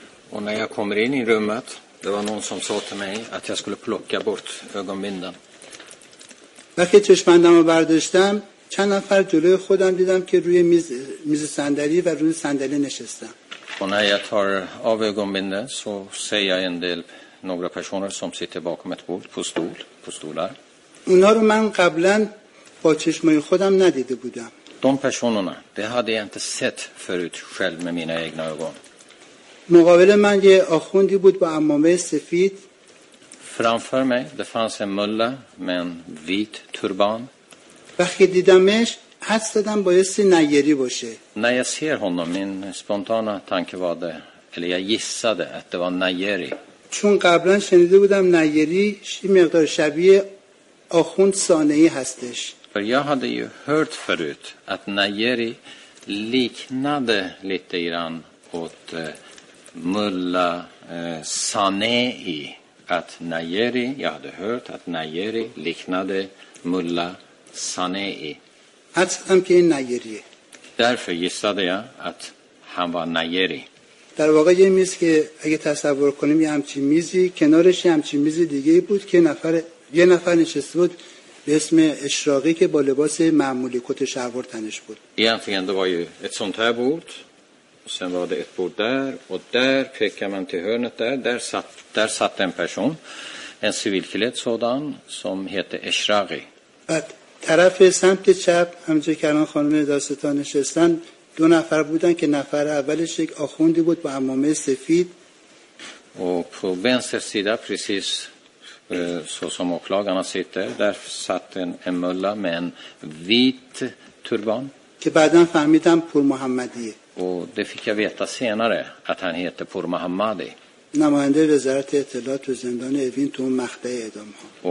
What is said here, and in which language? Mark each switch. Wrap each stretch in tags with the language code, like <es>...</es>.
<sv>Och när jag kommer in i rummet, det var någon som sa till mig att jag skulle plocka bort ögonbindeln.</sv> <fa>وقتی چشمندم رو برداشتم چند نفر جلوی خودم دیدم که روی میز صندلی و روی صندلی نشستم.</fa> <sv>Och när jag tar av ögonbindeln så ser jag en del några personer som sitter bakom ett bord på stolar.</sv> <fa>اونا رو من قبلا با چشمای خودم ندیده بودم.</fa> <sv>De personerna, det hade jag inte sett förut själv med mina egna ögon.</sv> <fa>مقابل من یه آخوندی بود با عمامه سفید.</fa> <sv>Framför mig det fanns en mulla med en vit turban.</sv> <fa>وقتی دیدمش حدس زدم بایستی نیری باشه.</fa> <sv>När jag ser honom min spontana tanke var det, eller jag gissade att det var نیری.</sv> <fa>چون قبلا شنیده بودم نیری مقدار شبیه آخوند ثانعی هستش.</fa> <sv>För jag hade ju hört förut att نیری liknade lite grann åt mulla Sanei. Att نیری, jag hade hört att نیری liknade mulla Sanei.</sv> <fa>حدستم که این نیریه.</fa> <sv>Därför gissade jag att han var نیری.</sv> <fa>در واقع یه میز که اگه تصور کنیم یه همچین میزی کنارش یه همچین میز دیگه بود که یه نفر نشسته بود به اسم اشراقی که با لباس معمولی کت شلوار تنش بود.</fa> <sv>Egentligen det var ju ett sånt här bord. Sen var det ett bord där och där pekar man till hörnet där. Där satt en person, en civilklädd sådan som hette Eshraghi.</sv> <fa>طرف سمت چپ همونجوری که الان خانم داستان نشستن دو نفر بودن که نفر اولش یک آخوندی بود با عمامه سفید.</fa> <sv>Och på vänster sida precis så som åklagarna sitter där satt en mulla med en vit turban.</sv> <fa>که بعدن فهمیدم پور محمدیه.</fa> <sv>Och det fick jag veta senare att han heter Pour Mohammadi.</sv> <fa>نماینده وزارت اطلاعات زندان اوین تو مقطع اعدام ها.</fa>